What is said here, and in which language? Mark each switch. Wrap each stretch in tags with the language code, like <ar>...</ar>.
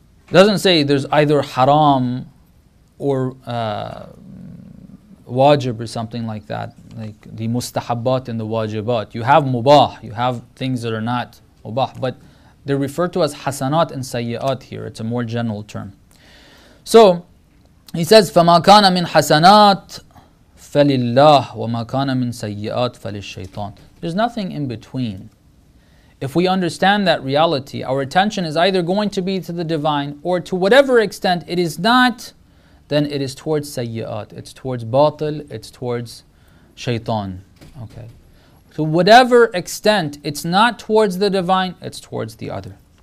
<en>Doesn't say there's either haram or wajib or something like that. Like the mustahabbat and the wajibat. You have mubah. You have things that are not mubah. But they're referred to as hasanat and sayyat here. It's a more general term. So, he says,</en> <ar>فَمَا كَانَ مِنْ حَسَنَاتِ فَلِلَّهِ وَمَا كَانَ مِنْ سَيِّئَاتِ فَلِلشَّيْطَانِ.</ar> <en>There's nothing in between. If we understand that reality, our attention is either going to be to the divine, or to whatever extent it is not, then it is towards سَيِّئَاتِ. It's towards باطل, it's towards شَيْطَان. Okay. To whatever extent it's not towards the divine, it's towards the other.</en>